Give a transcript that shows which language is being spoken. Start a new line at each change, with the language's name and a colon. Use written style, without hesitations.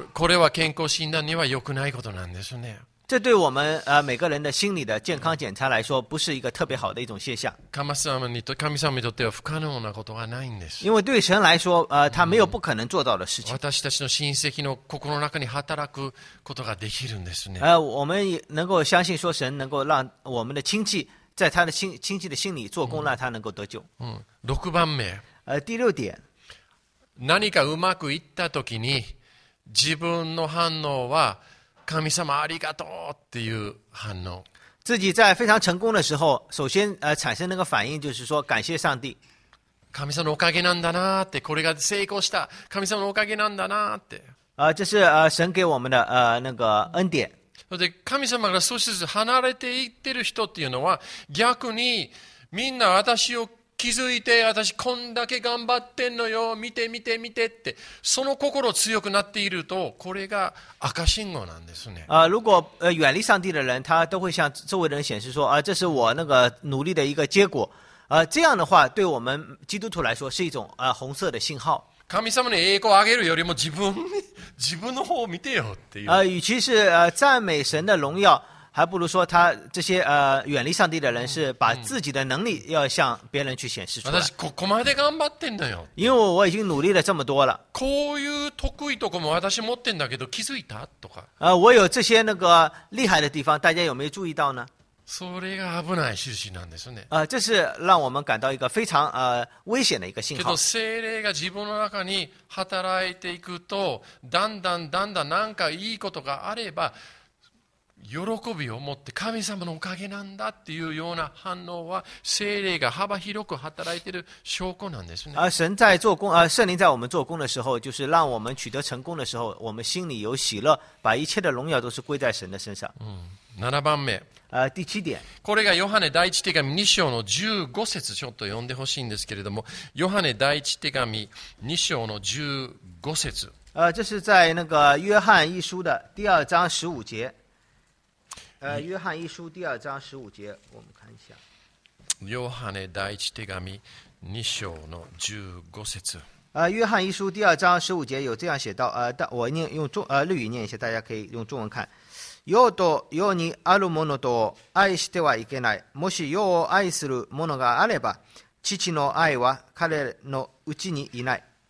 Japanese: これは健康診断には良くないことなんですね。
Chinese: 这对我们每个人的心理的健康检查来说不是一个特别好的一种现象。
Japanese: 神様にとっては不可能なことはないんです。
Chinese: 因为对神来说他没有不可能做到的事情。
Japanese: 私たちの親戚の心の中に働くことができるんですね。
Chinese: 我们能够相信说神能够让我们的亲戚在他的亲戚的心里做工，让他能够得救。
Japanese: 6番目。
Chinese: 第六点。
Japanese: 何かうまくいったときに自分の反応は神様ありがとうっていう反応。
Chinese: 自己在非常成功的时候，首先产生那个反应就是说感谢上帝。
Japanese: 神様のおかげなんだなって、これが成功した神様のおかげなんだなって。
Chinese: 这是神给我们的那个恩典。
Japanese: で、神様が少しずつ離れていってる人っていうのは逆にみんな私を気づいて、私こんだけ頑張ってんのよ、見て見て見てって、その心強くなっていると、これが赤信号なんですね。
Chinese: 如果远离上帝的人，他都会向周围的人显示说，这是我那个努力的一个结果。这样的话，对我们基督徒来说是一种红色的信号。
Japanese: 神様に栄光をあげるよりも自分の方を見てよっていう。
Chinese: 与其是赞美神的荣耀。还不如说他这些远离上帝的人是把自己的能力要向别人去显示出来。
Japanese: 私ここまで頑張ってんだよ。
Chinese: 因为我已经努力了这么多了。
Japanese: こういう得意とこも私持ってんだけど気づいたとか。
Chinese: 我有这些那个厉害的地方，大家有没有注意到呢？
Japanese: それが危ない印なんですね。
Chinese: 这是让我们感到一个非常危险的一个信号。
Japanese: けど聖霊が自分の中に働いていくと、だんだんだんだんなんかいいことがあれば。喜びを持って神様のおかげなんだっていうような反応は聖霊が幅広く働いている証拠なんですね。
Chinese: 神在做工，圣灵在我们做工的时候，就是让我们取得成功的时候，我们心里有喜乐，把一切的荣耀都是归在神的身上。
Japanese: 7番目。
Chinese: 第七点。
Japanese: これがヨハネ第一手紙2章の15節ちょっと読んでほしいんですけれども、ヨハネ第一手紙2章の15節。
Chinese: 这是在那个约翰一书的第二章十五节。约翰一书第二章十五节，我们看一下。
Japanese: ヨハネ第一手紙二章の十五節。
Chinese: 约翰一书第二章十五节有这样写到，我念用中日语念一下，大家可以用中文看。
Japanese: 世と世にあるものと愛してはいけない。もし世を愛するものがあれば、父の愛は彼のうちにいない。